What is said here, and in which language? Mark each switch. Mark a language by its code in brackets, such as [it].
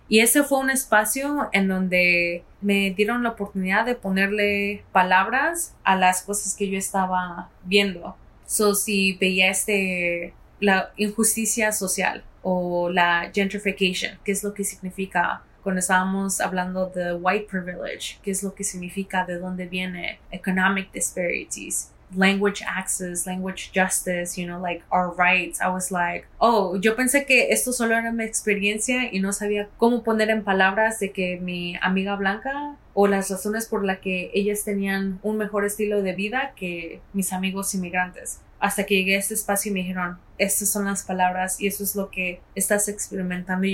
[es] Y ese fue un espacio en donde me dieron la oportunidad de ponerle palabras a las cosas que yo estaba viendo. So, si veía la injusticia social o la gentrification, ¿qué es lo que significa? Cuando estábamos hablando de [en] white privilege, [es] ¿qué es lo que significa? ¿De dónde viene? [en] Economic disparities, language access, language justice, you know, like our rights. I was like, oh, [es] yo pensé que esto solo era mi experiencia y no sabía cómo poner en palabras de que mi amiga blanca o las razones por las que ellas tenían un mejor estilo de vida que mis amigos inmigrantes. Hasta que llegué a este espacio y me dijeron, estas son las palabras y eso es lo que estás experimentando.